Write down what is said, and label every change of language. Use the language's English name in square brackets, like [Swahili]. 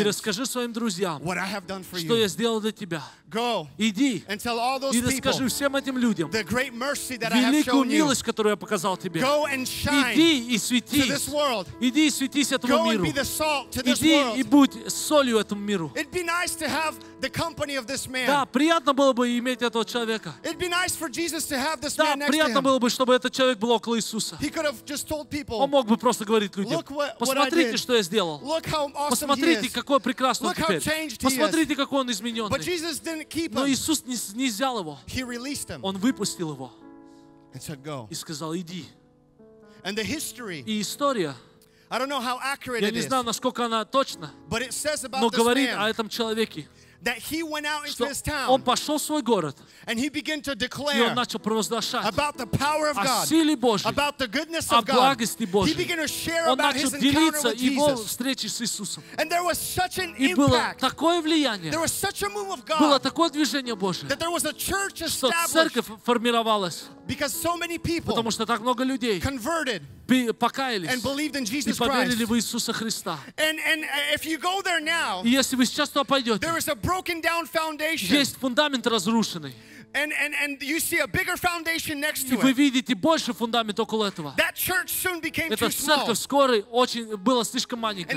[Russian] и расскажи своим друзьям, [English] what I have done for you. [Russian] Что я сделал для тебя. [English] Go. [Russian] Иди. [English] And tell all those [Russian] и расскажи всем этим людям [English] the great mercy that [Russian] великую милость, которую я показал тебе. [English] Go and shine [Russian] иди и светись. [English] To this world. [Russian] Иди и светись этому [English] go [Russian] миру. [English] And be the salt to this world. [Russian] Иди и будь солью этому миру. [English] It'd be nice to have the company of this man. [Russian] Да, приятно было бы иметь этого человека. [English] It'd be nice for Jesus to have this [Russian] да, [English] man next to [Russian] приятно [English] him. [Russian] Было бы, чтобы этот человек был около Иисуса. [English] He could have just told people, [Russian] он мог бы просто говорить людям, [English] look what [Russian] посмотрите, [English] I did. [Russian] Что я сделал. [English] Look how awesome [Russian] посмотрите, [English] he is. [Russian] Какой прекрасный [English] look [Russian] он теперь. [English] How changed [Russian] посмотрите, [English] he is. [Russian] Какой он измененный. [English] But Jesus didn't keep him. [Russian] Но Иисус не взял его. [English] He released him. [Russian] Он выпустил его. [English] And said, go. [Russian] И сказал, иди. [English] And the history. [Russian] И история. [English] I don't know how accurate it is. [Russian] Я не знаю, насколько она точна. [English] But it says about [Russian] но говорит о этом человеке. [English] that he went out into his town and he began to declare about the power of God, about the goodness of God. He began to share about his encounter with Jesus. And there was such an impact, there was such a move of God, that there was a church established because so many people converted and believed in Jesus Christ. And if you go there now, there is a broken down foundation. And you see a bigger foundation next to it. [Russian] Вы видите больше фундамент около этого. [English] That church soon became too small. [Russian] Эта церковь скоро очень была слишком маленькая.